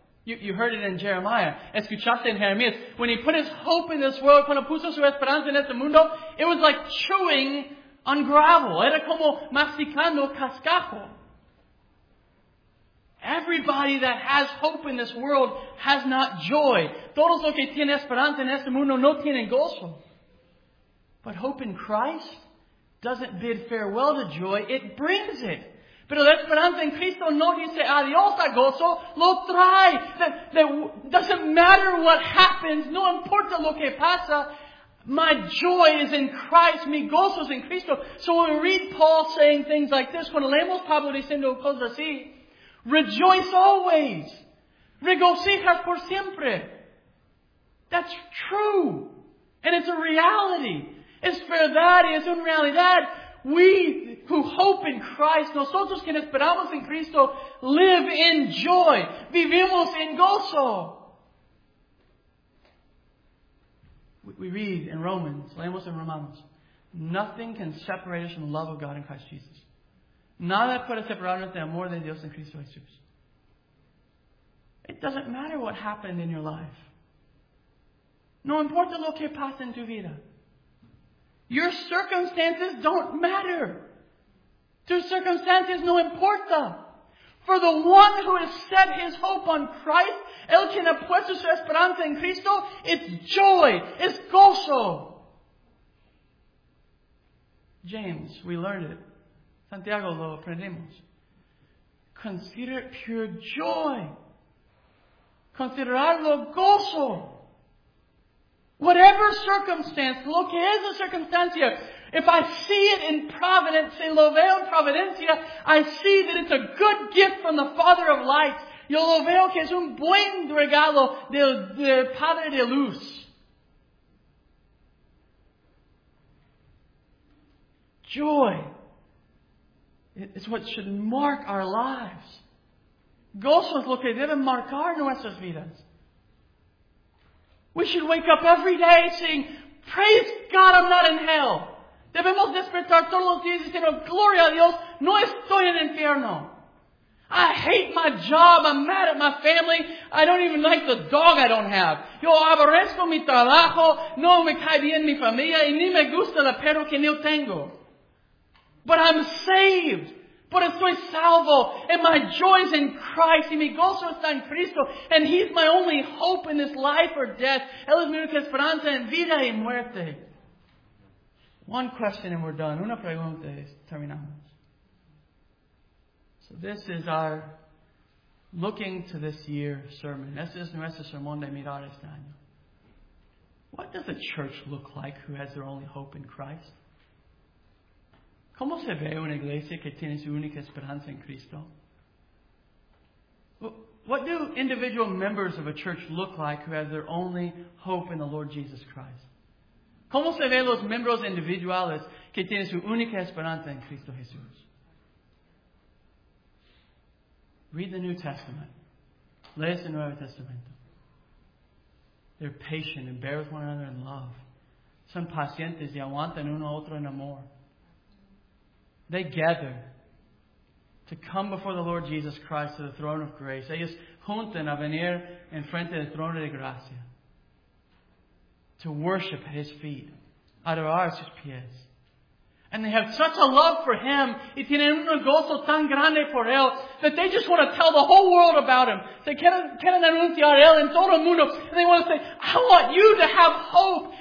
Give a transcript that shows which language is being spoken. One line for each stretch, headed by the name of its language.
English: You heard it in Jeremiah.
Spanish: Escuchaste en Jeremías.
English: When he put his hope in this world,
Spanish: cuando puso su esperanza en este mundo,
English: it was like chewing on gravel.
Spanish: Era como masticando cascajo.
English: Everybody that has hope in this world has not joy.
Spanish: Todos los que tienen esperanza en este mundo no tienen gozo.
English: But hope in Christ doesn't bid farewell to joy. It brings it.
Spanish: Pero la esperanza en Cristo no dice adiós a gozo, lo trae.
English: That doesn't matter what happens,
Spanish: no importa lo que pasa,
English: my joy is in Christ,
Spanish: mi gozo es en Cristo.
English: So when we read Paul saying things like this,
Spanish: cuando leemos Pablo diciendo cosas así,
English: rejoice always,
Spanish: regocija por siempre.
English: That's true, and it's a reality.
Spanish: Es verdad y es una realidad.
English: We who hope in Christ,
Spanish: nosotros que esperamos en Cristo,
English: live in joy.
Spanish: Vivimos en gozo.
English: We read in Romans,
Spanish: leemos en Romanos,
English: nothing can separate us from the love of God in Christ Jesus.
Spanish: Nada puede separarnos de amor de Dios en Cristo Jesús.
English: It doesn't matter what happened in your life.
Spanish: No importa lo que pasa en tu vida.
English: Your circumstances don't matter.
Spanish: Tus circunstancias no importa.
English: For the one who has set his hope on Christ,
Spanish: el quien ha puesto su esperanza en Cristo,
English: it's joy, it's gozo. James, we learned it.
Spanish: Santiago, lo aprendimos.
English: Consider it pure joy.
Spanish: Considerarlo gozo.
English: Whatever circumstance,
Spanish: lo que es la circunstancia,
English: if I see it in providence,
Spanish: lo veo en providencia,
English: I see that it's a good gift from the Father of Lights.
Spanish: Yo lo veo que es un buen regalo del Padre de Luz.
English: Joy is what should mark our lives.
Spanish: Gozo es lo que debe marcar nuestras vidas.
English: We should wake up every day saying, praise God, I'm not in hell.
Spanish: Debemos despertar todos los días diciendo, gloria a Dios, no estoy en infierno.
English: I hate my job, I'm mad at my family, I don't even like the dog I don't have.
Spanish: Yo aborrezco mi trabajo, no me cae bien mi familia, y ni me gusta la perro que no tengo.
English: But I'm saved. But
Spanish: estoy salvo,
English: and my joy is in Christ,
Spanish: y mi gozo está en Cristo,
English: and He's my only hope in this life or death.
Spanish: Él es mi única esperanza en vida y muerte.
English: One question and we're done.
Spanish: Una pregunta y terminamos.
English: So this is our looking to this year sermon.
Spanish: Este es nuestro sermón de mirar este año.
English: What does a church look like who has their only hope in Christ?
Spanish: ¿Cómo se ve una iglesia que tiene su única esperanza en Cristo?
English: What do individual members of a church look like who have their only hope in the Lord Jesus Christ?
Spanish: ¿Cómo se ve los miembros individuales que tienen su única esperanza en Cristo Jesús?
English: Read the New Testament.
Spanish: Lee el Nuevo Testamento.
English: They're patient and bear with one another in love.
Spanish: Son pacientes y aguantan uno a otro en amor.
English: They gather to come before the Lord Jesus Christ to the throne of grace.
Spanish: Ellos juntan a venir en frente del trono de gracia.
English: To worship at His feet.
Spanish: Adorar a sus pies.
English: And they have such a love for Him.
Spanish: Y tienen un gozo tan grande por Él.
English: That they just want to tell the whole world about Him. They
Spanish: quieren anunciar Él en todo el mundo.
English: And they want to say, I want you to have hope.